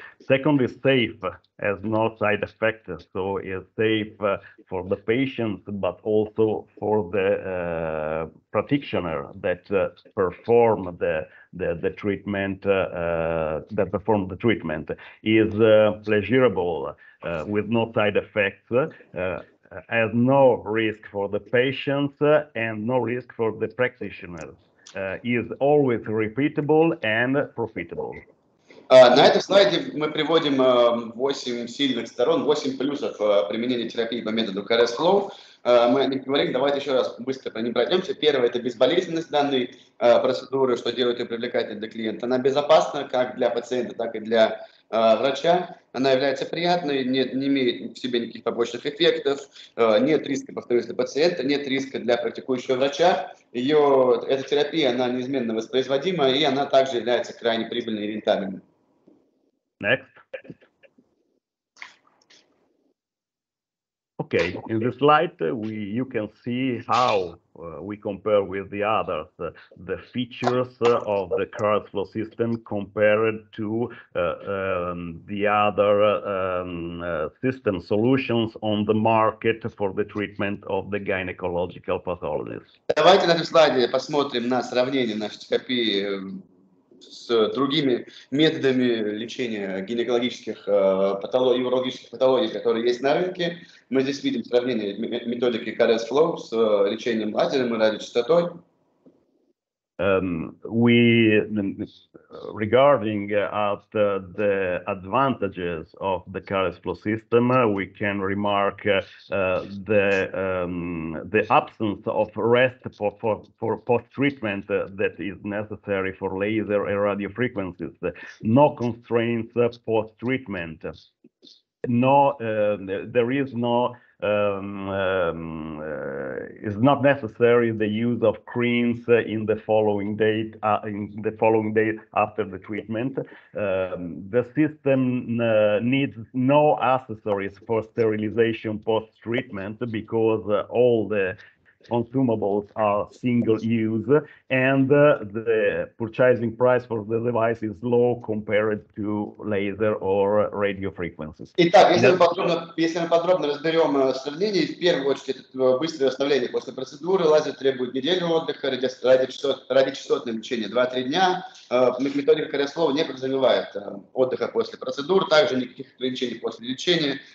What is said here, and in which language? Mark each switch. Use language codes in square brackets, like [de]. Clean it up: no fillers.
[en] Second is safe, has no side effects, so it's safe for the patients, but also for the practitioner that perform the treatment, that perform the treatment, is pleasurable with no side effects, has no risk for the patients and no risk for the practitioners, is always repeatable and profitable. [ru] На этом слайде мы приводим 8 сильных сторон, 8 плюсов применения терапии по методу CARESFLOW. Мы о них говорим, давайте еще раз быстро по ним пройдемся. Первое – это безболезненность данной процедуры, что делает ее привлекательной для клиента. Она безопасна как для пациента, так и для врача. Она является приятной, не имеет в себе никаких побочных эффектов, нет риска, повторюсь, для пациента, нет риска для практикующего врача. Ее, эта терапия, она неизменно воспроизводима, и она также является крайне прибыльной и рентабельной. [en] Next. Okay, in the slide you can see how we compare with the others, the features of the current flow system compared to the other system solutions on the market for the treatment of the gynecological pathologies. [ru] Давайте на этом слайде посмотрим на сравнение нашей терапии с другими методами лечения гинекологических патологий, урологических патологий, которые есть на рынке. Мы здесь видим сравнение методики CRS Flow с лечением лазером и радиочастотой. [en] We regarding the advantages of the CRS Flow system, we can remark the absence of rest for post-treatment that is necessary for laser and radio frequencies. No constraints post-treatment. No, there is no. It's not necessary the use of creams in the following day after the treatment. The system needs no accessories for sterilization post treatment because all the consumables are single use, and the purchasing price for the device is low compared to laser or radio frequencies. [ru] Итак, если мы подробно разберем сравнение, в первую очередь это быстрое восстановление после процедуры. Лазер требует неделю отдыха, радиочастотное лечение 2-3 дня. Методика кариеслова не подразумевает отдыха после процедур, также никаких ограничений после лечения.